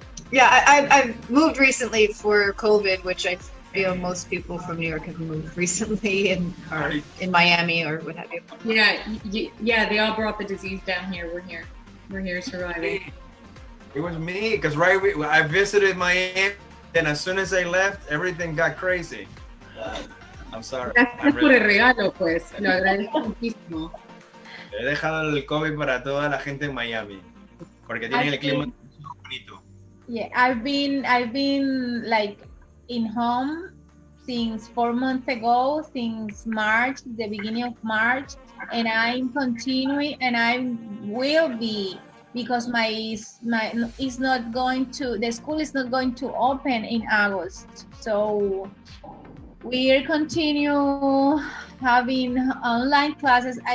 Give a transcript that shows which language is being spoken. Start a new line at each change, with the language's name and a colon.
English: Yeah, I've moved recently for COVID, which I feel most people from New York have moved recently and are in Miami or what have you. Yeah, they all brought the disease down here. We're here surviving. It was me, because I visited Miami, and as soon as I left, everything got crazy. I'm sorry.
Spanish: Gracias por el regalo, pues. Lo agradezco muchísimo. He dejado el COVID para toda la gente en Miami, porque tienen el clima bonito.
English: Yeah, I've been like in home since 4 months ago, since March, the beginning of March, and I'm continuing, and I will be, because my is not going to, the school is not going to open in August, so we'll continue having online classes.